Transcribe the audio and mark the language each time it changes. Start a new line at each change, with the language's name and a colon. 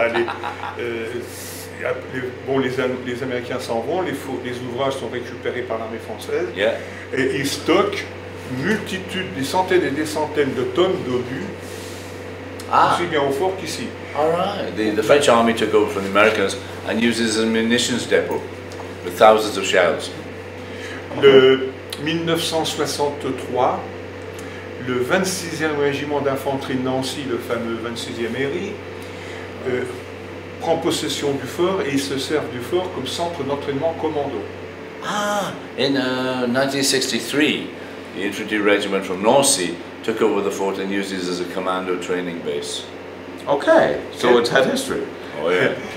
French: Bah, les Américains s'en vont, les ouvrages sont récupérés par l'armée française.
English: Yeah.
French: Et ils stockent multitude, des centaines et des centaines de tonnes d'obus, aussi bien au fort qu'ici.
English: All right. The French army took over from the Americans and uses a munitions depot with thousands of shells.
French: Le 1963, le 26e régiment d'infanterie de Nancy, le fameux 26e RI, prend possession du fort et ils se servent du fort comme centre d'entraînement commando.
English: Ah, in 1963, the infantry regiment from Nancy took over the fort and used it as a commando training base. Okay, so it's had history. Oh yeah.